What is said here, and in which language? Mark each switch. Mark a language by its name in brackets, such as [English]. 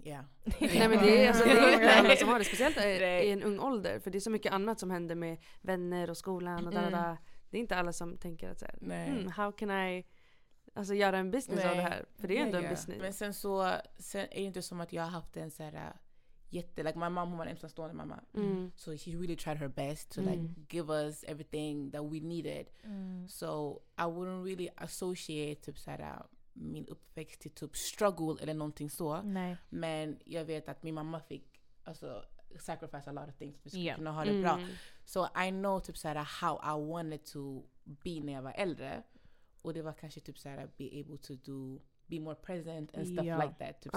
[Swedish] Nej, men det är alltså, det är alla som har det, speciellt i en ung ålder, för det är så mycket annat som händer med vänner och skolan och där. Det är inte alla som tänker att så här, [English] how can I [Swedish] alltså göra en business av det här, för det är ändå en business. Men sen så sen är det inte som att jag har haft en så här jätte, [English] like my mom, [Swedish] hon var en ensamstående mamma. [English] So she really tried her best to like give us everything that we needed. So I wouldn't really associate [Swedish] typ så här min uppväxt till typ struggle eller någonting så. Men jag vet att min mamma fick alltså [English] sacrifice a lot of things [Swedish] för att kunna ha det bra. [English] So I know [Swedish] typ så här [English] how I wanted to be [Swedish] när jag var äldre, och det var kanske typ så här [English] be able to do, be more present and stuff like that, typ så.